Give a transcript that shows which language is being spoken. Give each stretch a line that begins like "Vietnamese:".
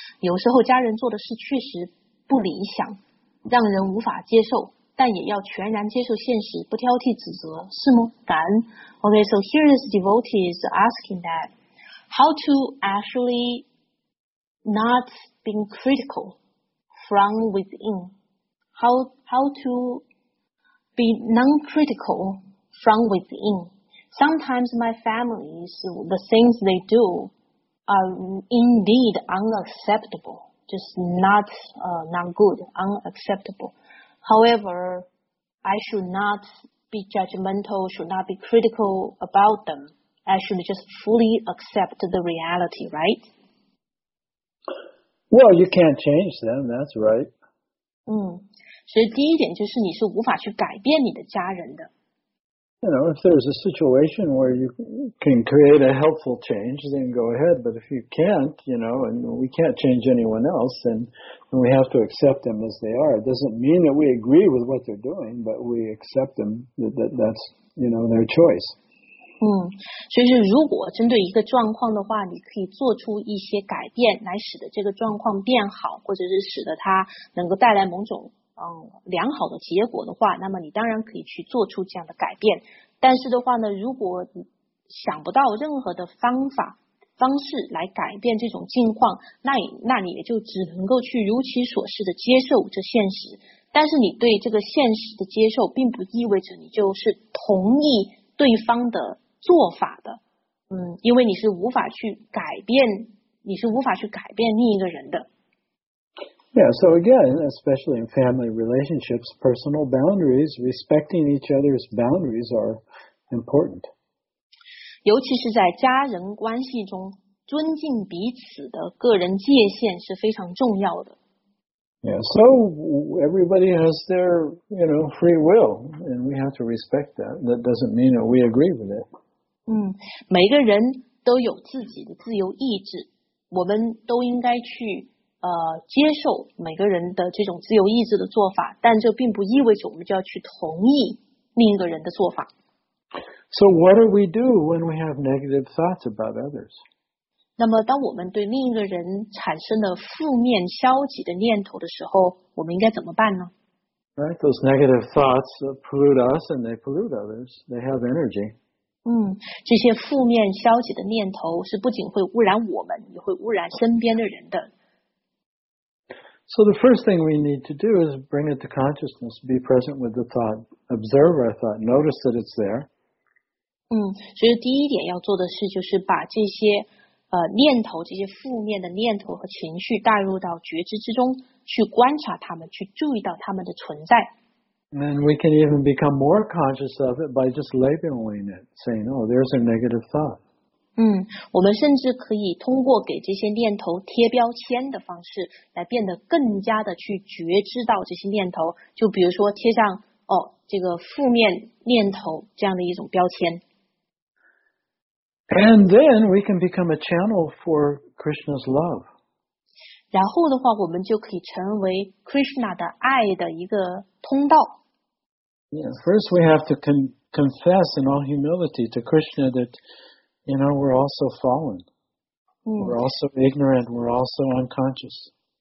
Chinese: 有时候家人做的事确实不理想，让人无法接受，但也要全然接受现实，不挑剔指责，是吗？感恩。
English: OK, so here is devotee is asking thatHow to actually not being critical from within? How to be non-critical from within? Sometimes my families, the things they do are indeed unacceptable, just not, not good, unacceptable. However, I should not be judgmental, should not be critical about them. Actually, just fully accept the reality, right? Well, you can't change them, that's right.
Chinese: 所以第一点就是你是无法去改变你的家人的。
English: You know, if there's a situation where you can create a helpful change, then go ahead. But if you can't, you know, and we can't change anyone else, then we have to accept them as they are. It doesn't mean that we agree with what they're doing, but we accept them that's, you know, their choice.
Chinese: 所以如果针对一个状况的话，你可以做出一些改变来使得这个状况变好，或者是使得它能够带来某种良好的结果的话，那么你当然可以去做出这样的改变。但是的话呢，如果你想不到任何的方法方式来改变这种境况，那你也就只能够去如其所示的接受这现实。但是你对这个现实的接受并不意味着你就是同意对方的做法的，因为你是无法去改变，你是无法去改变另一个人的。
English: Yeah, so again, especially in family relationships, personal boundaries, respecting each other's boundaries are important.
Chinese: 尤其是在家人关系中，尊敬彼此的个人界限是非常重要的。
English: Yeah, so everybody has their, you know, free will, and we have to respect that. That doesn't mean that we agree with it.
Chinese: 每个人都有自己的自由意志，我们都应该去接受每个人的这种自由意志的做法，但这并不意味着我们就要去同意另一个人的做法。
English: So what do we do when we have negative thoughts about others?
Chinese: 那么当我们对另一个人产生了负面消极的念头的时候，我们应该怎么办呢？
English: Right, those negative thoughts pollute us and they pollute others. They have energy.
Chinese: 这些负面消极的念头是不仅会污染我们，也会污染身边的人的。
English: So the first thing we need to do is bring it to consciousness, be present with the thought, observe our thought, notice that it's there.
Chinese: 所以第一点要做的事就是把这些念头，这些负面的念头和情绪带入到觉知之中，去观察它们，去注意到它们的存在。
English: And we can even become more conscious of it by just labeling it, saying, oh, there's a negative thought.
Chinese: 我们甚至可以通过给这些念头贴标签的方式来变得更加的去觉知到这些念头，就比如说贴上这个负面念头这样的一种标签。
English: And then we can become a channel for Krishna's love.
Chinese: 然后的话，我们就可以成为 Krishna 的爱的一个通道。
English: Yeah, first we have to confess in all humility to Krishna that, you know, we're also fallen. We're also ignorant, we're also unconscious.